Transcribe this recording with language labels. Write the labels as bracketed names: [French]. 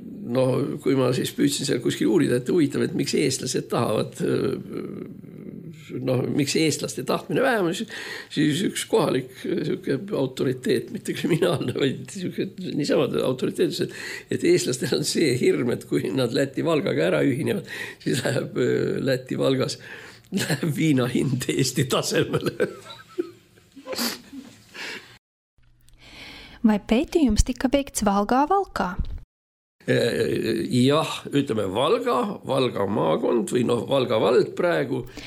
[Estonian] Noh, kui ma siis püüdsin seal kuskil uurida, et huvitav, et miks eestlased tahavad, noh, miks eestlaste tahtmine vähem, siis üks kohalik siuke autoriteet, mitte kriminaalne, vaid siuke niisamad autoriteetus, et eestlastel on see hirm, et kui nad Läti Valgaga ära ühinevad, siis läheb Läti Valgas, läheb viina hind Eesti tasemele. [Latvian] Vai pētījums tika veikts Valgā-Valkā? [Estonian] Ja, ütleme Valga, Valga maakond või no Valga vald praegu.